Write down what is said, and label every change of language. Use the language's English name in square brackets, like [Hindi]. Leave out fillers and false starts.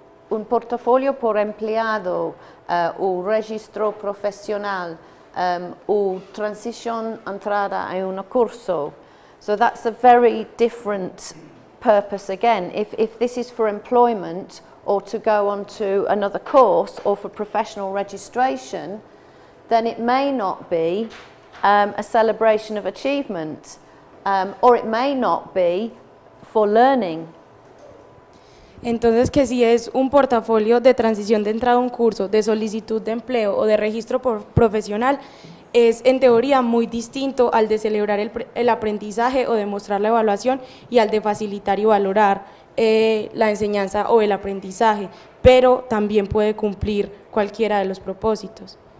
[Spanish] Un portafolio por empleado o registro profesional, o transición entrada a un curso. [English] So that's a very different purpose again. If this is for employment or to go on to another course or for professional registration, then it may not be a celebration of achievement, or it may not be for learning. [Spanish] Entonces, que si es un portafolio de transición de entrada a un curso, de solicitud de empleo o de registro profesional, es en teoría muy distinto al de celebrar el aprendizaje o demostrar la evaluación y al de facilitar y valorar la enseñanza o el aprendizaje, pero también puede cumplir cualquiera de los propósitos.